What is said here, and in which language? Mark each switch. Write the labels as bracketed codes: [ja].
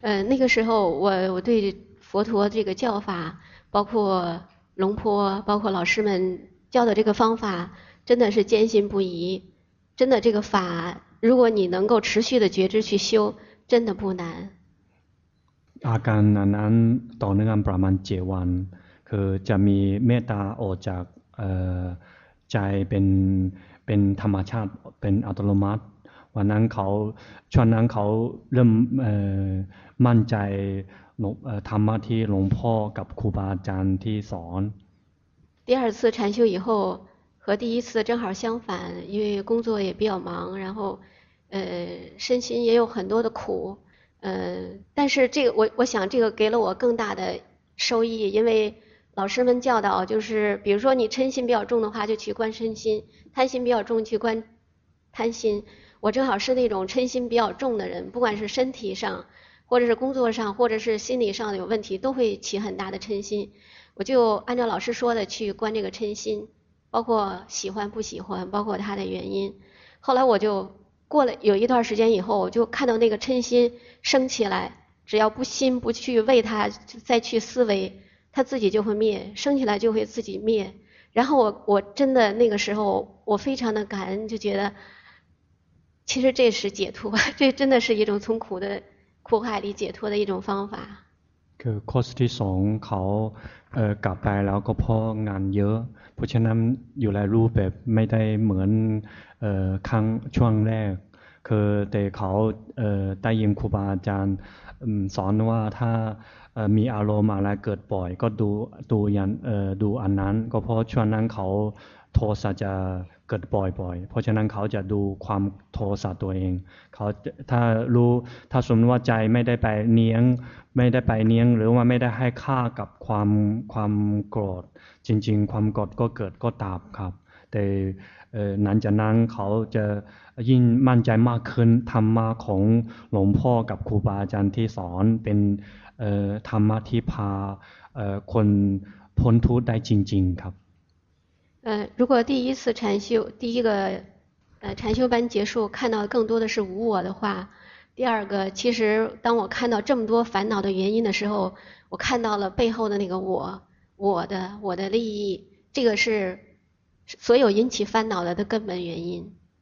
[zh] 那个时候我对佛陀这个教法包括龙坡包括老师们教的这个方法真的是坚信不疑真的这个法如果你能够持续的觉知去修真的不难 [th] อาการนั้นนั้นต่อเนื่องประมาณ7วันคือจะมีเมตตาออกจากใจเป็นธรรมชาติเป็นอัตโนมัติ วันนั้นเขาช่วงนั้นเขาเริ่มมั่นใจธรรมะที่หลวงพ่อกับครูบาอาจารย์ที่สอน [zh] 第二次禅修以后和第一次正好相反，因为工作也比较忙，然后身心也有很多的苦，但是这个我想这个给了我更大的收益，因为老师们教导就是比如说你嗔心比较重的话就去观身心，贪心比较重去观贪心，我正好是那种嗔心比较重的人，不管是身体上或者是工作上或者是心理上有问题都会起很大的嗔心，我就按照老师说的去观这个嗔心，包括喜欢不喜欢，包括它的原因，后来我就过了有一段时间以后，我就看到那个嗔心升起来，只要不心不去为它再去思维，它自己就会灭，升起来就会自己灭。然后我真的那个时候我非常的感恩，就觉得其实这是解脱，这真的是一种从苦的苦海里解脱的一种方法。 [th] คือคอร์สที่สองเขากลับไปแล้วก็เพราะงานเยอะเพราะฉะนั้นอยู่ในรูปแบบไม่ได้เหมือนครั้งช่วงแรกคือแต่เขาได้ยินครูบาอาจารย์สอนว่าถ้า มีอารมณ์อะไรเกิดบ่อยก็ดูอย่างดูอันนั้นก็เพราะช่วงนั้นเขาโทสะจะเกิดบ่อยๆเพราะฉะนั้นเขาจะดูความโทสะตัวเองเขาถ้ารู้ถ้าสมมติว่าใจไม่ได้ไปเนียงไม่ได้ไปเนียงหรือว่าไม่ได้ให้ค่ากับความโกรธจริงๆความโกรธก็เกิดก็ตับครับแต่ หลังจากนั้นเขาจะยิ่งมั่นใจมากขึ้นธรรมะของหลวงพ่อกับครูบาอาจารย์ที่สอนเป็นธรรมะที่พาคนพ้นทุกข์ได้จริงๆครับ [zh] 如果第一次禅修第一个禅修班结束看到更多的是无我的话，第二个其实当我看到这么多烦恼的原因的时候，我看到了背后的那个我的利益，这个是所有引起烦恼的根本原因。